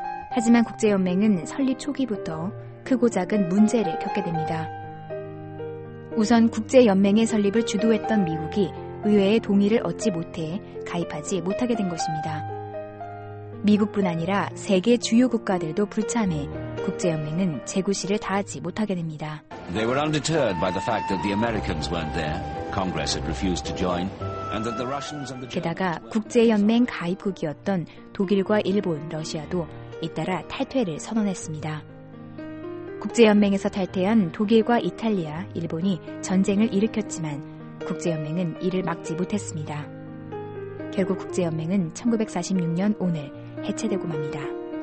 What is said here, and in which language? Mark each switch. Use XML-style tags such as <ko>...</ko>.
<ko>하지만 국제연맹은 설립 초기부터 크고 작은 문제를 겪게 됩니다. 우선 국제연맹의 설립을 주도했던 미국이 의회의 동의를 얻지 못해 가입하지 못하게 된 것입니다. 미국뿐 아니라 세계 주요 국가들도 불참해 국제연맹은 재구시를 다하지 못하게 됩니다.</ko> <en>They were undeterred by the fact that the Americans weren't there. Congress had refused to join.</en> <ko>게다가 국제연맹 가입국이었던 독일과 일본, 러시아도 잇따라 탈퇴를 선언했습니다. 국제연맹에서 탈퇴한 독일과 이탈리아, 일본이 전쟁을 일으켰지만 국제연맹은 이를 막지 못했습니다. 결국 국제연맹은 1946년 오늘 해체되고 맙니다.</ko>